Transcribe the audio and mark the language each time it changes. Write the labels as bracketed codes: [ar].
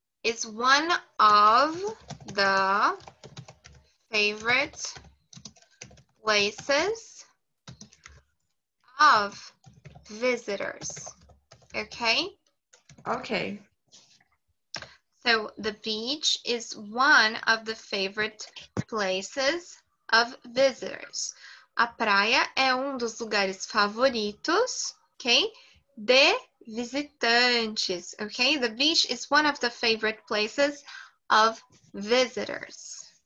[en] It's one of the favorite places of visitors. Okay? Okay. So the beach is one of the favorite places of visitors. [pt] A praia é um dos lugares favoritos, okay? De visitantes, okay? [en] The beach is one of the favorite places of visitors.